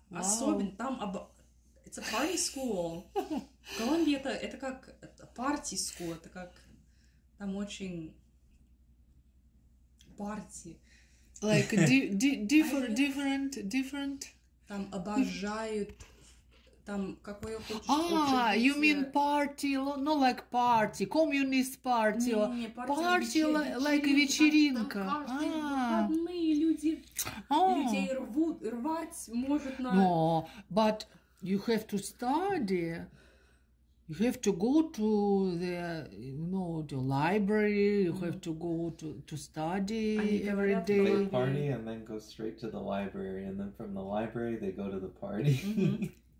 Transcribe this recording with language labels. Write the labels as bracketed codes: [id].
[ru] Wow. Особенно там... [en] It's a party school. [ru] В Колумбии это как party school, это как там очень party. [en] Like different. [ru] Там обожают, там какое хочешь. [en] You mean party, no, like party, communist party. [ru] Не, [en] party like вечеринка. [ru] Каждые люди, людей рвать может на... [en] No, but... You have to study. You have to go to the, you know, the library. You mm-hmm. have to go to study every day. Play party and then go straight to the library, and then from the library they go to the party.